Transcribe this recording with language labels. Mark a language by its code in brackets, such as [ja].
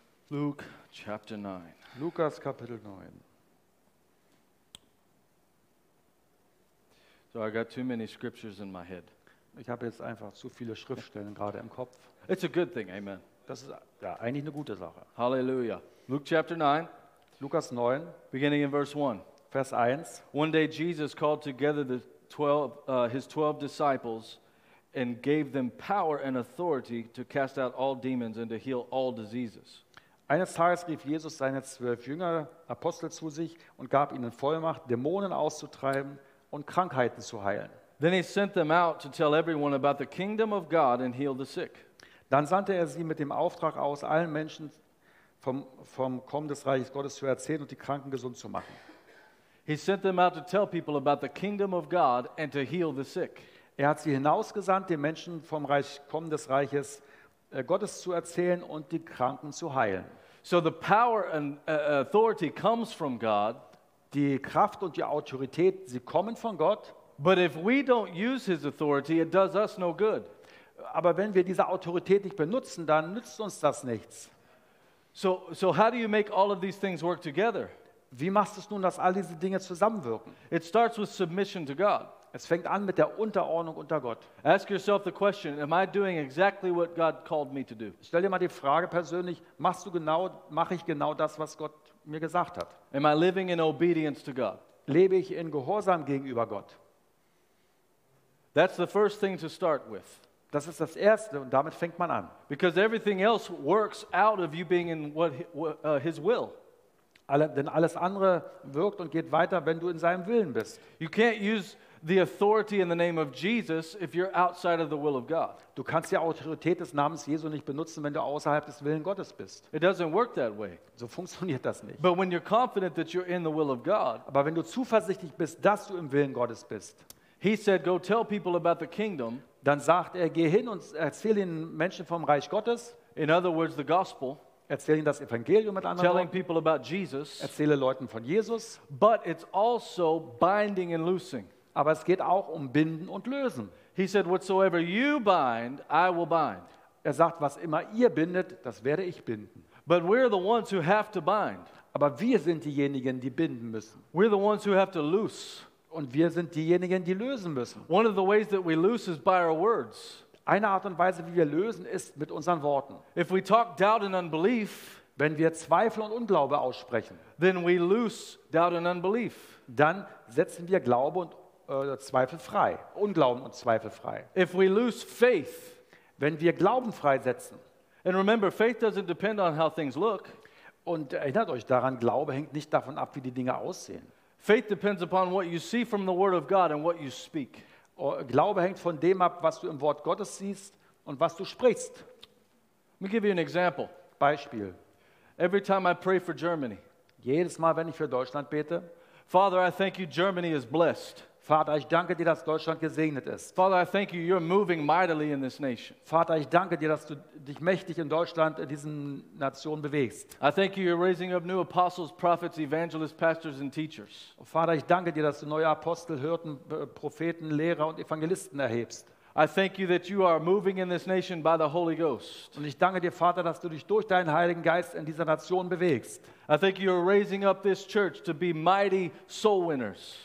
[en] Luke chapter 9. [de] Lukas Kapitel 9. [en] So I got too many scriptures in my head. [de] Ich habe jetzt einfach zu viele Schriftstellen gerade im Kopf. [en] It's a good thing, amen. [de] Das ist ja eigentlich eine gute Sache. [en] Hallelujah. Luke chapter 9, [de] Lukas 9, [en] beginning in verse 1. [de] Vers 1. [en] One day Jesus called together the 12 his 12 disciples and gave them power and authority to cast out all demons and to heal all diseases. [de] Eines Tages rief Jesus seine 12 Jünger, Apostel zu sich und gab ihnen Vollmacht, Dämonen auszutreiben und Krankheiten zu heilen. [en] Then he sent them out to tell everyone about the kingdom of God and heal the sick. [de] Dann sandte er sie mit dem Auftrag aus, allen Menschen vom Kommen des Reiches Gottes zu erzählen und die Kranken gesund zu machen. [en] He sent them out to tell people about the kingdom of God and to heal the sick. [de] Er hat sie hinausgesandt, den Menschen vom Reich Kommen des Reiches Gottes zu erzählen und die Kranken zu heilen. [en] So the power and authority comes from God. [de] Die Kraft und die Autorität, sie kommen von Gott. [en] But if we don't use his authority, it does us no good. [de] Aber wenn wir diese Autorität nicht benutzen, dann nützt uns das nichts. [en] So how do you make all of these things work together? [de] Wie machst du es nun, dass all diese Dinge zusammenwirken? [en] It starts with submission to God. [de] Es fängt an mit der Unterordnung unter Gott. [en] Ask yourself the question, am I doing exactly what God called me to do? [de] Stell dir mal die Frage persönlich, mache ich genau das, was Gott mir gesagt hat? [en] Am I living in obedience to God? [de] Lebe ich in Gehorsam gegenüber Gott? [en] That's the first thing to start with. [de] Das ist das Erste und damit fängt man an. [en] Because everything else works out of you being in what his will. [de] Denn alles andere wirkt und geht weiter, wenn du in seinem Willen bist. [en] You can't use the authority in the name of Jesus if you're outside of the will of God. [de] Du kannst die Autorität des Namens Jesu nicht benutzen, wenn du außerhalb des Willen Gottes bist. [en] It doesn't work that way. [de] So funktioniert das nicht. [en] But when you're confident that you're in the will of God, [de] aber wenn du zuversichtlich bist, dass du im Willen Gottes bist, [en] he said, go tell people about the kingdom. [de] Dann sagt er, geh hin und erzähl den Menschen vom Reich Gottes. [en] In other words, the gospel. [de] Erzähl ihnen das Evangelium mit anderen [en] telling Worten. People about Jesus. [de] Erzähle Leuten von Jesus. [en] But it's also binding and loosing. [de] Aber es geht auch um Binden und Lösen. [en] He said, whatsoever you bind, I will bind. [de] Er sagt, was immer ihr bindet, das werde ich binden. [en] But we're the ones who have to bind. [de] Aber wir sind diejenigen, die binden müssen. [en] We're the ones who have to loose. [de] Und wir sind diejenigen, die lösen müssen. [en] One of the ways that we lose is by our words. [de] Eine Art und Weise, wie wir lösen, ist mit unseren Worten. [en] If we talk doubt and unbelief, [de] wenn wir Zweifel und Unglaube aussprechen, [en] then we lose doubt and unbelief. [de] Dann setzen wir Glaube und Zweifel frei. Unglauben und Zweifel frei. [en] If we lose faith, [de] wenn wir Glauben freisetzen. [en] And remember, faith doesn't depend on how things look. [de] Und erinnert euch daran, Glaube hängt nicht davon ab, wie die Dinge aussehen. [en] Faith depends upon what you see from the word of God and what you speak. [de] Glaube hängt von dem ab, was du im Wort Gottes siehst und was du sprichst. [en] Let me give you an example. [de] Beispiel. [en] Every time I pray for Germany. [de] Jedes Mal, wenn ich für Deutschland bete. [en] Father, I thank you Germany is blessed. [de] Vater, ich danke dir, dass Deutschland gesegnet ist. [en] Father, I thank you, you're moving mightily in this nation. [de] Vater, ich danke dir, dass du dich mächtig in Deutschland, in diesen Nationen bewegst. [en] I thank you, you're raising up new apostles, prophets, evangelists, pastors and teachers. [de] Vater, ich danke dir, dass du neue Apostel, Hirten, Propheten, Lehrer und Evangelisten erhebst. [en] I thank you that you are moving in this nation by the Holy Ghost. [de] Und ich danke dir, Vater, dass du dich durch deinen Heiligen Geist in dieser Nation bewegst. [en] I thank you are raising up this church to be mighty soul winners.